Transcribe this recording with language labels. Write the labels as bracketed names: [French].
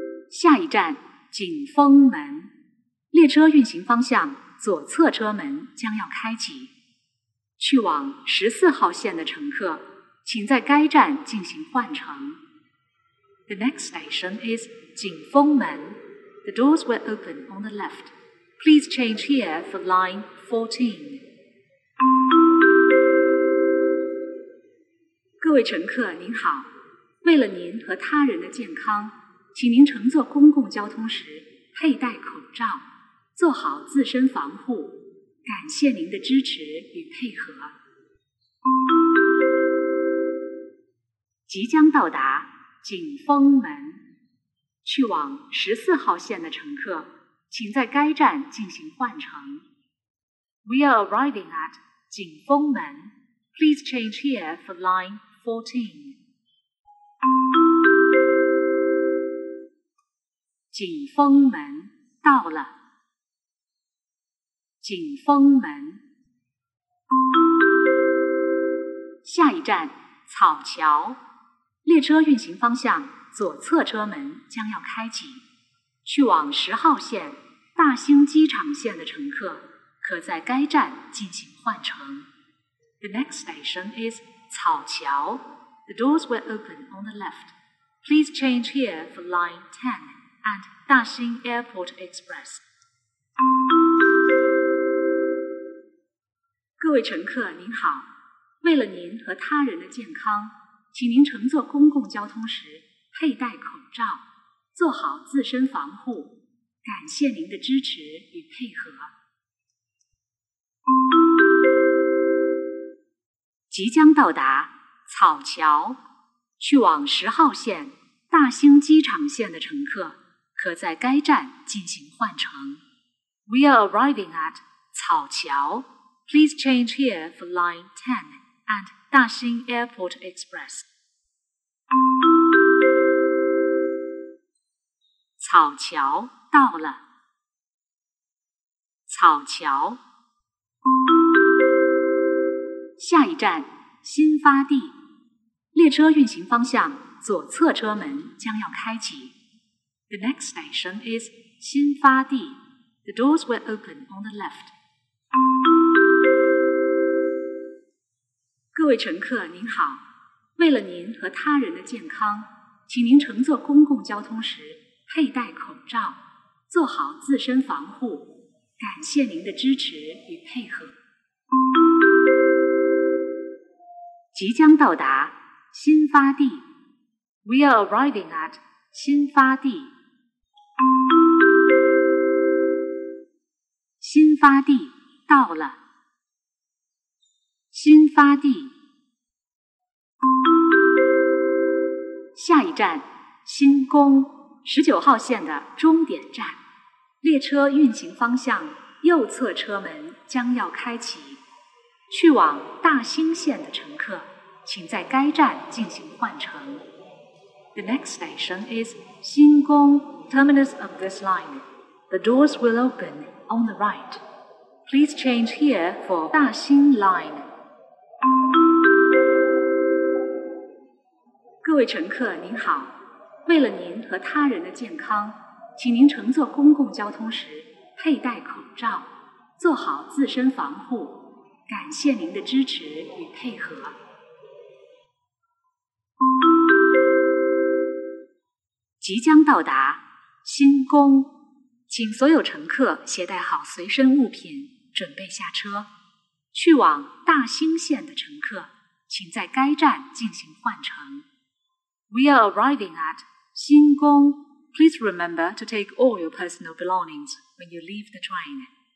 [Chinese] 下一站景峰门，列车运行方向左侧车门将要开启，去往14号线的乘客请在该站进行换乘。 [English] The next station is 景峰门。 The doors will open on the left. Please change here for line 14. [Chinese] 各位乘客您好，为了您和他人的健康，请您乘坐公共交通时佩戴口罩，做好自身防护。感谢您的支持与配合。即将到达景峰门，去往14号线的乘客，请在该站进行换乘。 [English] We are arriving at 景峰门。 Please change here for line 14. [Chinese] 景峰门到了。景峰门。下一站草桥。列车运行方向左侧车门将要开启，去往10号线大兴机场线的乘客可在该站进行换乘。 [English] The next station is 草桥。 The doors will open on the left. Please change here for line 10 and 大兴 Airport Express. [Chinese] 各位乘客您好，为了您和他人的健康，请您乘坐公共交通时佩戴口罩，做好自身防护。感谢您的支持与配合。即将到达草桥，去往10号线大兴机场线的乘客可在该站进行换乘。 [English] We are arriving at 草桥。 Please change here for line 10 and 大兴 Airport Express. [Chinese] 草桥到了。草桥。下一站新发地。列车运行方向左侧车门将要开启。 [English] The next station is 新发地。 The doors will open on the left. [Chinese] 各位乘客您好，为了您和他人的健康，请您乘坐公共交通时佩戴口罩，做好自身防护。感谢您的支持与配合。即将到达新发地。 [English] We are arriving at 新发地。 [Chinese] 新发地到了。新发地。下一站新宫，19号线的终点站。列车运行方向右侧车门将要开启，去往大兴线的乘客请在该站进行换乘。 [English] The next station is 新宫 terminus of this line. The doors will open on the right. Please change here for 大兴 line. [Chinese] 各位乘客您好，为了您和他人的健康，请您乘坐公共交通时佩戴口罩，做好自身防护。感谢您的支持与配合。即将到达新宫，请所有乘客携带好随身物品，准备下车。去往大兴线的乘客，请在该站进行换乘。 [English] We are arriving at新宫, please remember to take all your personal belongings when you leave the train.